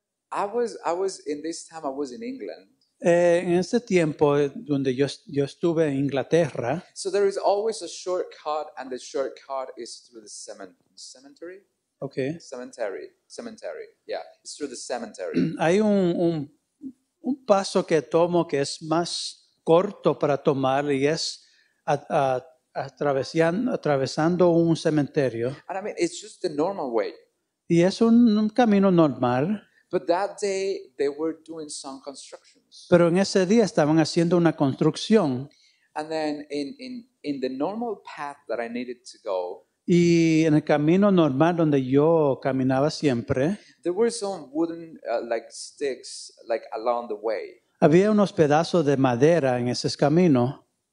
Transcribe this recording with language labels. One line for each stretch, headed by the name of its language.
English: I was in this time. I was in England.
Spanish: En este tiempo donde yo estuve en Inglaterra.
English: So there is always a shortcut, and the shortcut is through the cemetery. Okay. Cemetery. Yeah, it's through the cemetery.
Spanish: Hay un paso que tomo que es más corto para tomar y es atravesando un cementerio.
English: And I mean, it's just the normal way.
Spanish: Y es un camino normal.
English: But that day, they were doing some constructions.
Spanish: Pero en ese día estaban haciendo una construcción.
English: And then in the normal path that I needed to go.
Spanish: Y en el camino normal donde yo caminaba siempre.
English: There were some wooden like sticks like along the way.
Spanish: Había unos pedazos de madera en ese camino.